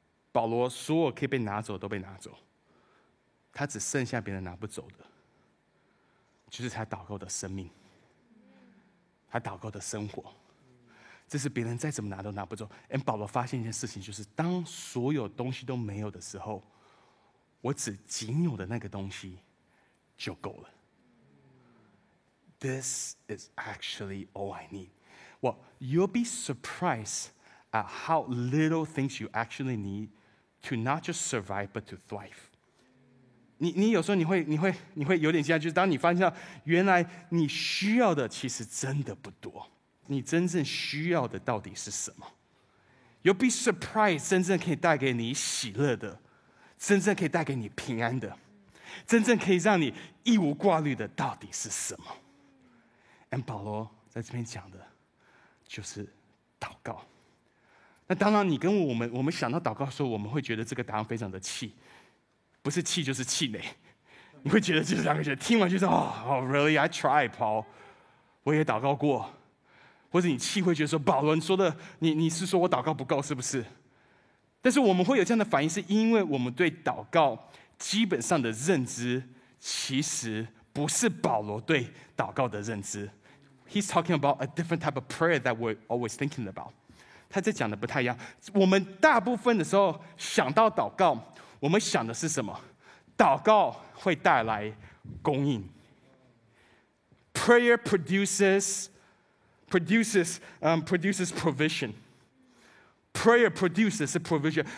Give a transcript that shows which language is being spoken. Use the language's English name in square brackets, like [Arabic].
[Chinese] 保罗所有可以被拿走都被拿走，他只剩下别人拿不走的，就是他祷告的生命，他祷告的生活，这是别人再怎么拿都拿不走。而保罗发现一件事情，就是当所有东西都没有的时候，我只仅有的那个东西就够了。 [English] This is actually all I need. Well, you'll be surprised at how little things you actually need to not just survive but to thrive. [Chinese] 你有时候你会有点惊讶，就是当你发现到原来你需要的其实真的不多，你真正需要的到底是什么？ [English] You'll be surprised [Chinese] 真正可以带给你喜乐的，真正可以带给你平安的，真正可以让你一无挂虑的到底是什么？ And 保罗在这边讲的就是祷告。那当然你跟我们想到祷告的时候，我们会觉得这个答案非常的气，不是气就是气馁，你会觉得就是两个字，听完就是 [English] Really, I tried, Paul. [Chinese] 我也祷告过。或者你气会觉得说，保罗说的，你是说我祷告不够是不是？但是我们会有这样的反应，是因为我们对祷告基本上的认知，其实不是保罗对祷告的认知。 [English] He's talking about a different type of prayer that we're always thinking about. [Chinese] 他这讲的不太一样。我们大部分的时候想到祷告，我们想的是什么？祷告会带来供应。 [English] Prayer produces provision. Prayer produces provision.